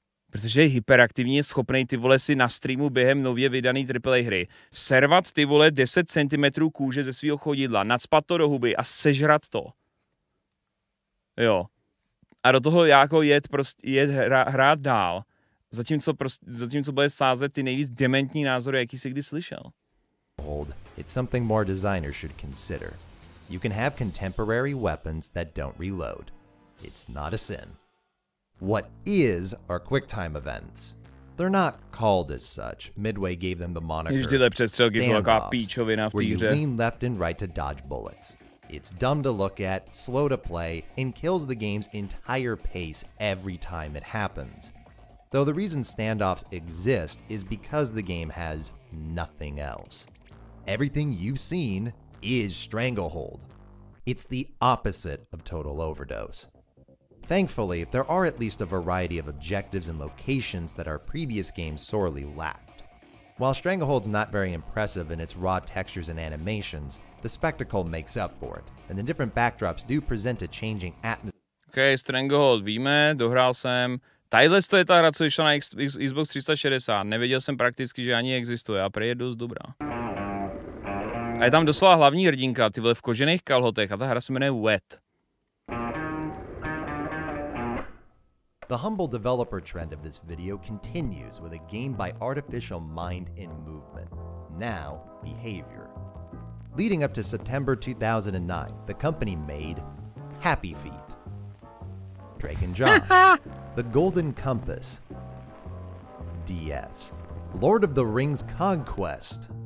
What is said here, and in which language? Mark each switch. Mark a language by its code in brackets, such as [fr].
[cs] Protože je hyperaktivní, je schopný ty vole si na streamu během nově vydaný AAA hry servat ty vole 10 cm kůže ze svého chodidla, nacpat to do huby a sežrat to. Jo. A do toho jako jet hrát dál. Zatímco bude sázet ty nejvíc dementní názory, jaký jsi kdy slyšel. [en] Hold, it's something more designers should consider. You can have contemporary weapons that don't reload. It's not a sin. What is are quick time events? They're not called as such. Midway gave them the moniker stand-offs, where you lean left and right to dodge bullets. It's dumb to look at, slow to play, and kills the game's entire pace every time it happens. Though the reason standoffs exist is because the game has nothing else. Everything you've seen is Stranglehold. It's the opposite of Total Overdose. Thankfully, there are at least a variety of objectives and locations that our previous game sorely lacked. While Stranglehold's not very impressive in its raw textures and animations, the spectacle makes up for it, and the different backdrops do present a changing atmosphere. [cs] Okay, Stranglehold, víme, dohrál jsem. Tadyhle to je ta hra, co vyšla na Xbox 360. Nevěděl jsem prakticky, že ani existuje, a prej je dost dobrá. A je tam doslova hlavní hrdinka, ty vole v kožených kalhotech, a ta hra se jmenuje Wet. [en] The humble developer trend of this video continues with a game by artificial mind in movement. Now, behavior. Leading up to September 2009, the company made Happy Feet, Drake and John, The Golden Compass, DS, Lord of the Rings Conquest,